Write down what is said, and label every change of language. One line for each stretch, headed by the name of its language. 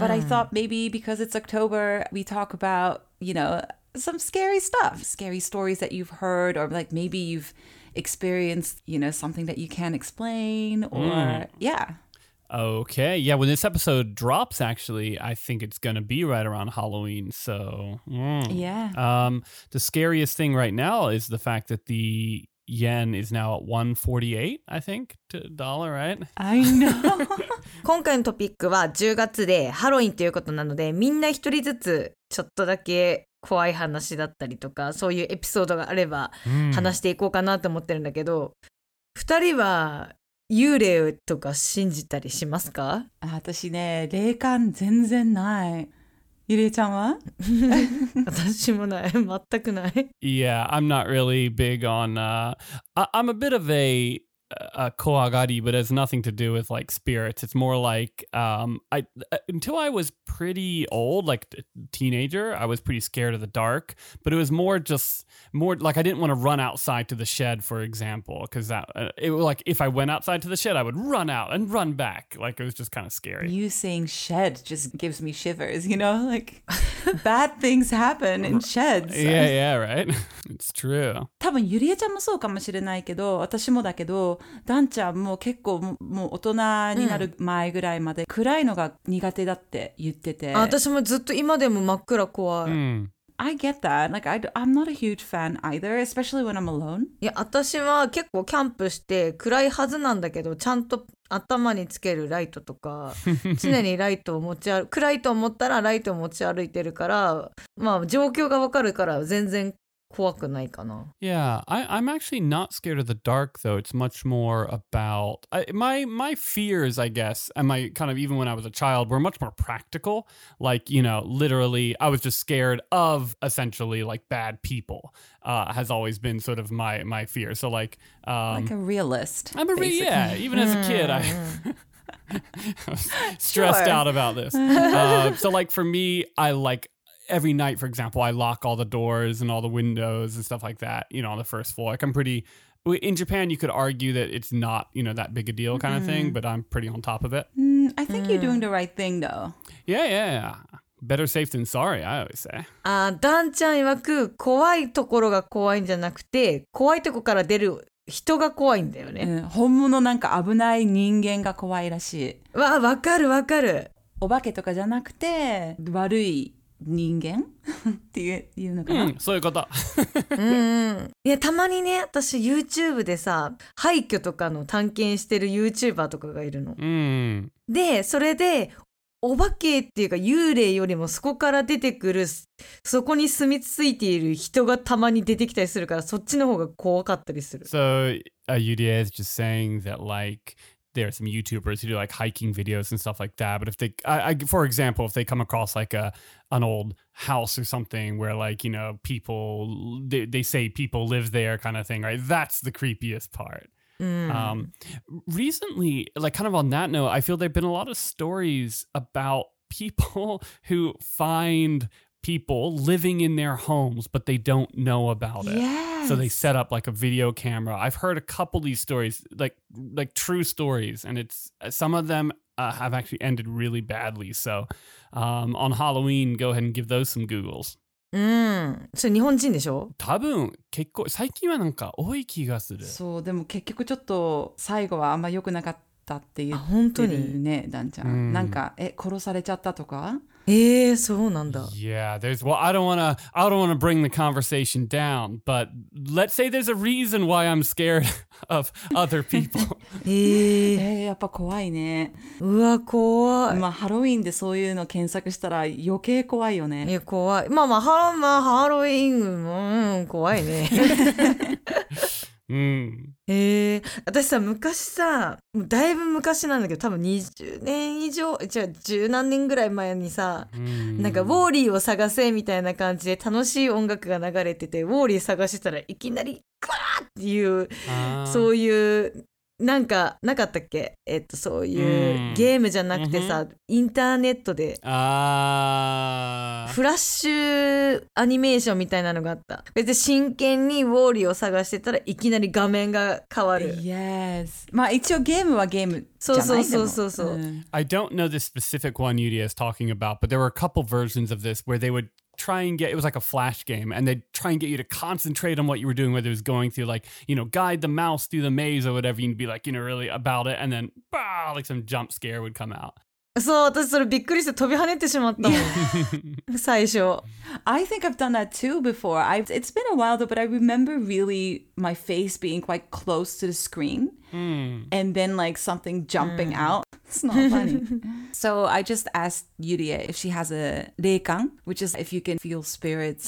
English: But I thought maybe because it's October, we talk about, you know, some scary stuff, scary stories that you've heard or like maybe you've experienced, you know, something that you can't explain or yeah. Okay. Yeah, when this episode drops, actually, I think it's going to be right around Halloween. So, the scariest thing right now is the fact that the yen is now at 148, I think, to dollar, right? I know.
Japanese: 今回のトピックは10月でハロウィンということなので、みんな一人ずつちょっとだけ怖い話だったりとか、そういうエピソードがあれば話していこうかなと思ってるんだけど、二人は幽霊とか信じたりしますか？私ね、霊感全然ない。ゆりえちゃんは？私もない。全くない。
English: Yeah, I'm not really big on... I'm a bit of a koagari, but it has nothing to do with like spirits. It's more like until I was pretty old, like a teenager, I was pretty scared of the dark, but it was more like I didn't want to run outside to the shed, for example, because that it was like if I went outside to the shed, I would run out and run back. Like it was just kind of scary. You saying shed just gives me shivers, you know, like bad things happen in sheds. Yeah, right. It's true.
Japanese: 多分ゆりえちゃんもそうかもしれないけど、私もだけど、ダンちゃんも結構もう大人になる前ぐらいまで暗いのが苦手だって言ってて、私もずっと今でも真っ暗怖い。
English: I get that. Like I'm not a huge fan either, especially when I'm alone.
Japanese: いや、私は結構キャンプして暗いはずなんだけど、ちゃんと頭につけるライトとか、常にライトを持ち歩、暗いと思ったらライトを持ち歩いてるから、まあ状況がわかるから全然。
English: Yeah, I'm actually not scared of the dark, though. It's much more about... My fears, I guess, and my kind of even when I was a child, were much more practical. Like, you know, literally, I was just scared of, essentially, like, bad people has always been sort of my fear. So, like... like a realist, I'm a basically. Yeah, even as a kid, I... stressed out about this. So, like, for me, I, like... Every night, for example, I lock all the doors and all the windows and stuff like that, you know, on the first floor. Like, I'm pretty... In Japan, you could argue that it's not, you know, that big a deal kind of thing, but I'm pretty on top of it. I think you're doing the right thing, though. Yeah. Better safe than sorry, I always say.
Japanese: Dan-chan 曰く、怖いところが怖いんじゃなくて、怖いところから出る人が怖いんだよね。本物なんか危ない人間が怖いらしい。わー、わかるわかる。お化けとかじゃなくて、悪い。人間っていうのかな、そういうこと。いや、たまにね、私 YouTube でさ、廃墟とかの探検してる YouTuber とかがいるの。で、それでお化けっていうか幽霊よりもそこから出てくる、そこに住み着いている人がたまに出てきたりするから、そっちの方が怖かったりする。
English: So, Yuri is just saying that like, there are some YouTubers who do like hiking videos and stuff like that. But if they, for example, if they come across like an old house or something where like, you know, people, they say people live there kind of thing, right? That's the creepiest part. Mm. Recently, like kind of on that note, I feel there've been a lot of stories about people who find people living in their homes, but they don't know about it. Yes. So they set up like a video camera. I've heard a couple of these stories, like true stories, and it's some of them have actually ended really badly. So on Halloween, go ahead and give those some Googles.
Japanese: うん、それ日本人でしょ？多分結構最近はなんか多い気がする。そう、でも結局ちょっと最後はあんま良くなかったって言ってるね。あ、本当に？ダンちゃん、うん、なんか殺されちゃったとか。そうなんだ。
English: Yeah, there's, well, I don't wanna bring the conversation down, but let's say there's a reason why I'm scared of other people.
Japanese: やっぱ怖いね。うわ、怖い。まあ、ハロウィンでそういうの検索したら余計怖いよね。いや、怖い。まあまあ、ハロウィン、うん、怖いね。うん、私さ、昔さ、もうだいぶ昔なんだけど、多分20年以上、じゃあ十何年ぐらい前にさ、うん、なんかウォーリーを探せみたいな感じで楽しい音楽が流れてて、ウォーリー探してたらいきなりガーッっていう、そういうなんかなかったっけ、そういう、うん、ゲームじゃなくてさ、うん、インターネットであフラッシュアニメーションみたいなのがあった。別に真剣にウォーリーを探してたらいきなり画面が変わる。 Yes. まあ一応ゲームはゲームじゃない。そうそうそうそう、うん、
English: I don't know the specific one Yuri is talking about, but there were a couple versions of this where they wouldtry and get, it was like a flash game, and they'd try and get you to concentrate on what you were doing, whether it was going through, like, you know, guide the mouse through the maze or whatever, you'd be like, you know, really about it, and then, bah, like some jump scare would come out.
Japanese: そう、私それびっくりして飛び跳ねてしまったもん。最初。
English: I think I've done that too before. It's been a while though, but I remember really my face being quite close to the screen. Mm. And then like something jumping out. It's not funny. So I just asked Yurie if she has a reikan, which is if you can feel spirits.